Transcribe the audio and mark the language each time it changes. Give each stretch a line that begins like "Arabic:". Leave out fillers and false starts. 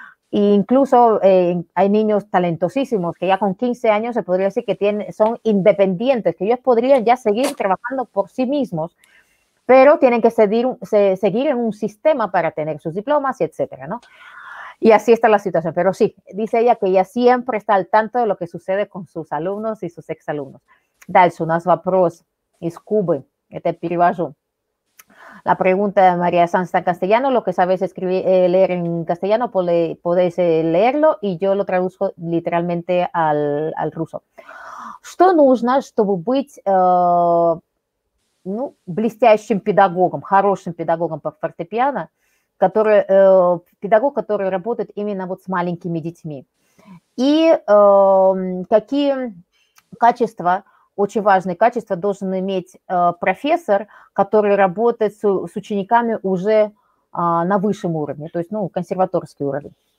Spanish: E incluso hay niños talentosísimos que ya con 15 años se podría decir que son independientes, que ellos podrían ya seguir trabajando por sí mismos, pero tienen que seguir en un sistema para tener sus diplomas y etcétera, ¿no? Y así está la situación. Pero sí, dice ella que ella siempre está al tanto de lo que sucede con sus alumnos y sus exalumnos.
Russian: Дальше у нас вопрос из Кубы. Это перевожу.
Spanish: La pregunta de María Sanz en castellano. Lo que sabes escribir, leer en castellano, podéis leerlo y yo lo traduzco literalmente al ruso.
Russian: Что нужно, чтобы быть ну, блестящим педагогом, хорошим педагогом по фортепиано, педагог, который работает именно вот с маленькими детьми. И какие качества, очень важные качества, должен иметь профессор, который работает с учениками уже на высшем уровне, то есть, ну, консерваторский уровень.